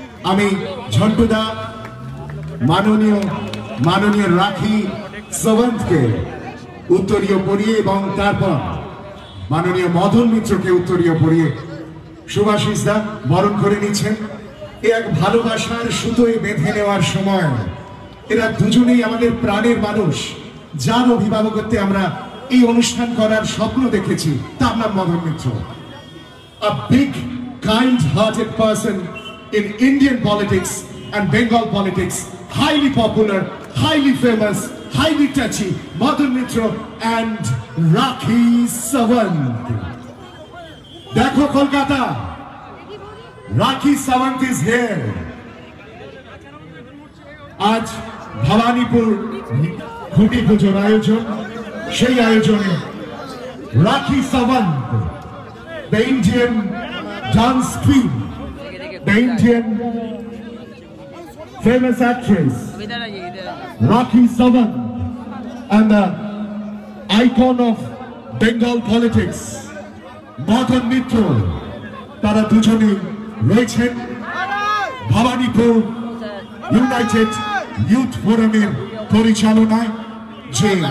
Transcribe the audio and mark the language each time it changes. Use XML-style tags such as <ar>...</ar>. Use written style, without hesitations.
<bn>আমি ঝন্টুদা, মাননীয় রাখি সাওয়ন্তকে উত্তরীয় পরিয়ে, এবং তারপর মাননীয় মদন মিত্রকে উত্তরীয় পরিয়ে শুভাশিস দা বরণ করে নিচ্ছেন। এ এক ভালোবাসার সুতোয় বেঁধে নেওয়ার সময়। এরা দুজনেই আমাদের প্রাণের মানুষ, যার অভিভাবকত্বে আমরা এই অনুষ্ঠান করার স্বপ্ন দেখেছি। তার নাম Madan Mitra,</bn> <en>A big kind-hearted person in Indian politics and Bengal politics, highly popular, highly famous, highly touchy, Madhur Mitra and Rakhi Sawant. Dekho Kolkata, Rakhi Sawant is here. Aaj</en> <bn>Bhabanipur খুঁটি পুজোর আয়োজন, সেই আয়োজনে রাখি Sawant</bn> <en>the Indian dance queen, the Indian famous actress</en> <bn>রাখি Sawant</bn> <en>and the icon of Bengal politics</en> <bn>Madan Mitra, তারা দুজনে রয়েছেন ভবানীপুর ইউনাইটেড ইউথ ফোরামের পরিচালনায়, যে</bn>